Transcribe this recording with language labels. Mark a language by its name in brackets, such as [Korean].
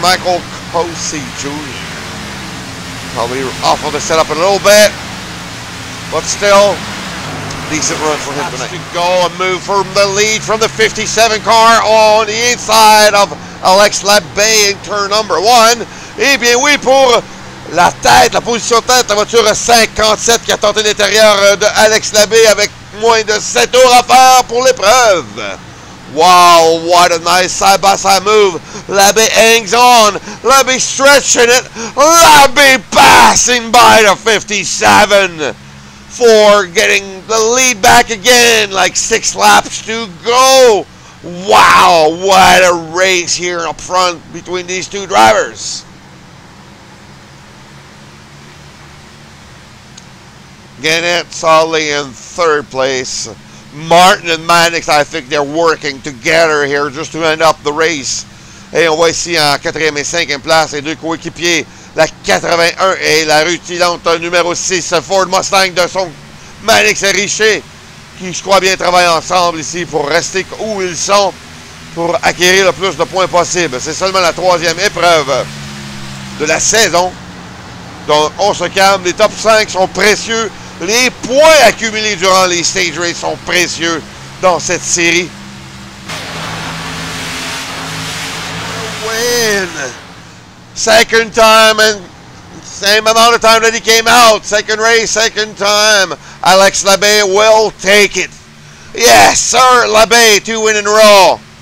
[English] Michael Cosi Jr. Probably off of the setup in a little bit, but still, decent run for him tonight. To go and move from the lead from the 57 car on the inside of Alex Labbe in turn number one. [French] Eh bien oui, pour la tête, la position tête, la voiture 57 qui a tenté l'intérieur de Alex Labbe avec moins de 7 tours à faire pour l'épreuve. [English] Wow, what a nice side-by-side move. Labbe hangs on. Labbe stretching it. Labbe passing by the 57 for getting the lead back again. Like 6 laps to go. Wow, what a race here up front between these two drivers. Gannett solidly in third place. Martin and Maddox, I think they're working together here just to end up the race. [French] Et on voit ici en 4e et 5e place les deux coéquipiers, la 81 et la rutilante numéro 6, Ford Mustang de son Maddox et Richey, qui je crois bien travaillent ensemble ici pour rester où ils sont, pour acquérir le plus de points possible. C'est seulement la 3e épreuve de la saison. Donc, on se calme, les top 5 sont précieux, les points accumulés durant les stage races sont précieux dans cette série. [English] Win! Second time and same amount of time that he came out. Second race, second time. Alex Labbe will take it. Yes, sir, Labbe, 2 wins in a row.